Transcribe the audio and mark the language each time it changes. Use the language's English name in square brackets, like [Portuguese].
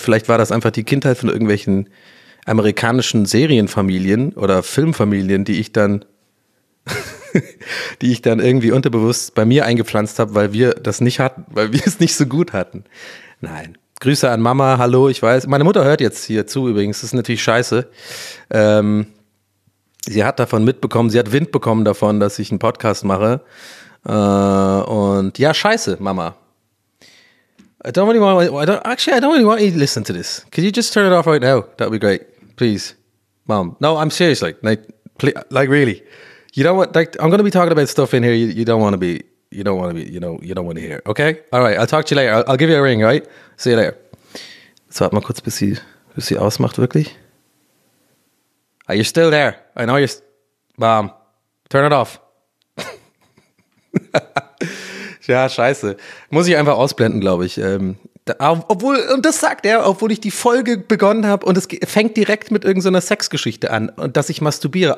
[German] Vielleicht war das einfach die Kindheit von irgendwelchen amerikanischen Serienfamilien oder Filmfamilien, die ich dann irgendwie unterbewusst bei mir eingepflanzt habe, weil wir es nicht so gut hatten. Nein, Grüße an Mama, hallo, ich weiß. Meine Mutter hört jetzt hier zu übrigens, das ist natürlich scheiße. Sie hat davon mitbekommen, sie hat Wind bekommen davon, dass ich einen Podcast mache. Und ja, scheiße, Mama. [English] I don't really want to listen to this. Could you just turn it off right now? That would be great. Please. Mom. No, I'm serious. Like really. You don't want, like, I'm going to be talking about stuff in here you don't want to hear. Okay? All right, I'll talk to you later. I'll give you a ring, right? See you later. [German] Jetzt warte mal kurz, bis sie ausmacht, wirklich. [English] Are you still there? I know you're... Mom. Turn it off. [German] Ja, scheiße. Muss ich einfach ausblenden, glaube ich. Obwohl ich die Folge begonnen habe und es fängt direkt mit irgendeiner Sexgeschichte an und dass ich masturbiere.